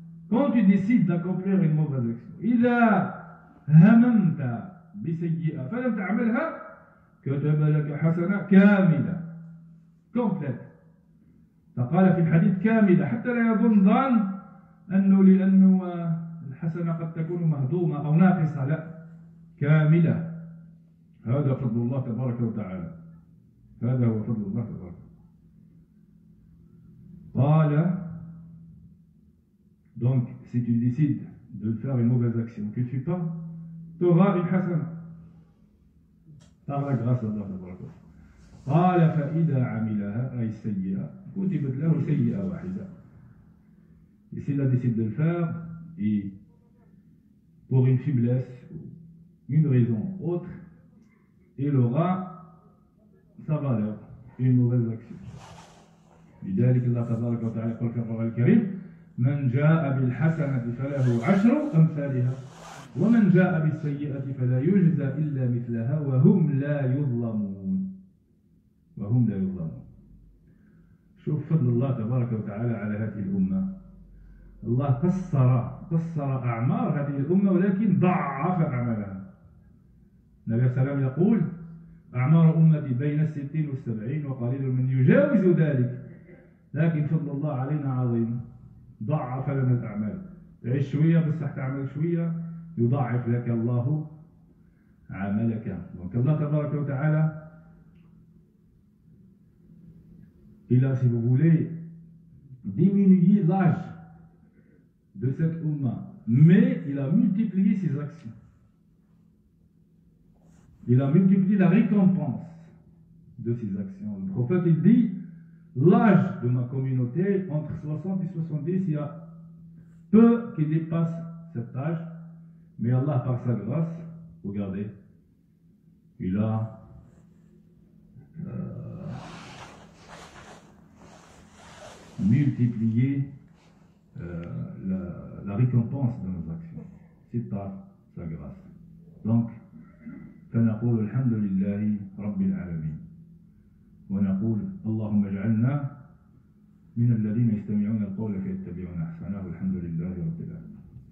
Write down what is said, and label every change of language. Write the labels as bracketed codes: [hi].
[fr] Quand tu décides d'accomplir une mauvaise action, [ar] إِذَا هممت بسيئة فلم تعملها كتب لك حسنة كاملة كومبليت. فقال في الحديث كاملة حتى لا يظن ظن أنه لأنه الحسنة قد تكون مهضومة أو ناقصة. لا كاملة. هذا فضل الله تبارك وتعالى. هذا هو فضل الله تبارك. قال [fr] donc si tu décides de faire une mauvaise action que tu fais pas, tu auras une hasana par la grâce d'Allah tabaraka wa ta'ala. [ar] Fa idha 'amilaha ay sayyi'a kutibat lahu sayyi'a wahida. [fr] Et s'il a décidé de le faire et pour une faiblesse ou une raison autre, il aura sa valeur une mauvaise action. [ar] لذلك الله تبارك وتعالى قال في القرآن الكريم من جاء بالحسنة فله عشر أمثالها ومن جاء بالسيئة فلا يجزى إلا مثلها وهم لا يظلمون. وهم لا يظلمون. شو شوف فضل الله تبارك وتعالى على هذه الأمة. الله قصر أعمار هذه الأمة ولكن ضعف أعمالها. النبي صلى الله عليه وسلم يقول أعمار أمتي بين 60 و70 وقليل من يجاوز ذلك، لكن فضل الله علينا عظيم، ضعف لنا الأعمال. تعيش شوية بصح تعمل شوية يضاعف لك الله عملك. الله تبارك وتعالى إلى [fr] si vous voulez diminuer l'âge de cette umma, mais il a multiplié ses actions. Il a multiplié la récompense de ses actions. Le prophète il dit, l'âge de ma communauté, entre 60 et 70, il y a peu qui dépassent cet âge. Mais Allah, par sa grâce, regardez, il a multiplié la récompense de nos actions. C'est par sa grâce. Donc, [ar] فنقول الحمد لله رب العالمين ونقول اللهم اجعلنا من الذين يستمعون القول فيتبعون احسنه الحمد لله رب العالمين.